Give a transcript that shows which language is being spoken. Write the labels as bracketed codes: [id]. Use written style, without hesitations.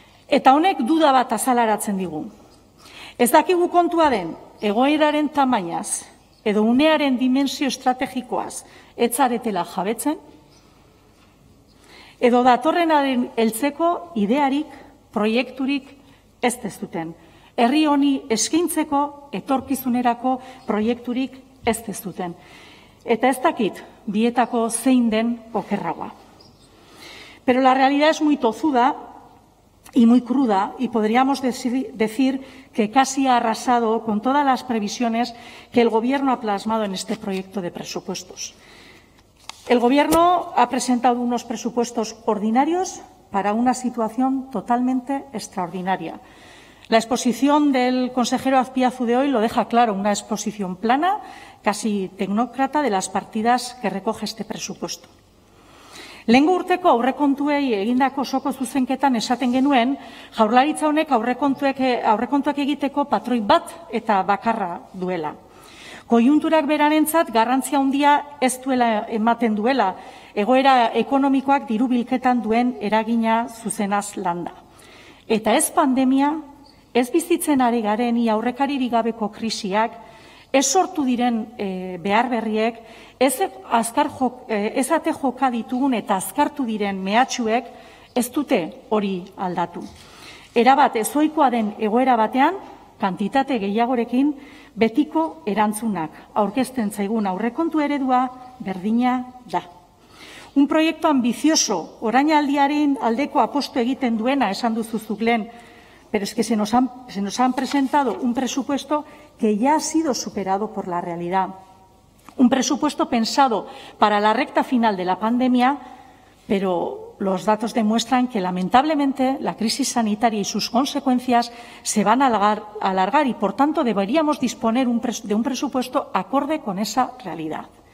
[eu] Eta honek duda bat azalaratzen digu. Ez dakigu kontua den, egoeraren tamainaz, edo unearen dimensio estrategikoaz, ez zaretela jabetzen, edo datorrenaren heltzeko idearik, proiekturik ez dezuten. Herri honi eskaintzeko etorkizunerako proiekturik ez dezuten. Eta ez dakit bietako zein den okerragoa. [es] Pero la realidad es muy tozuda y muy cruda y podríamos decir que casi ha arrasado con todas las previsiones que el gobierno ha plasmado en este proyecto de presupuestos. El gobierno ha presentado unos presupuestos ordinarios para una situación totalmente extraordinaria. La exposición del consejero Azpiazu de hoy lo deja claro, una exposición plana, casi tecnócrata, de las partidas que recoge este presupuesto. [eu] Lehengo urteko aurrekontuei egindako osoko zuzenketan esaten genuen, Jaurlaritza honek aurrekontuak egiteko patroi bat eta bakarra duela. Koiunturak berarentzat garrantzia handia ez duela ematen duela, egoera ekonomikoak diru bilketan duen eragina zuzenaz landa. Eta ez pandemia, ez bizitzen ari garen aurrekaririk gabeko krisiak, ez sortu diren behar berriek, ez ate joka ditugun eta azkartu diren mehatxuek, ez dute hori aldatu. Erabat ezohikoa den egoera batean, kantitate gehiagorekin, betiko erantzunak aurkezten zaigun aurrekontu eredua berdina da. [es] Un [eu] proiektu ambizioso, orainaldiaren aldeko apostu egiten duena esan duzu zuk lehen, [es] pero es que se nos han presentado un presupuesto que ya ha sido superado por la realidad. Un presupuesto pensado para la recta final de la pandemia, pero los datos demuestran que lamentablemente la crisis sanitaria y sus consecuencias se van a alargar y por tanto deberíamos disponer de un presupuesto acorde con esa realidad.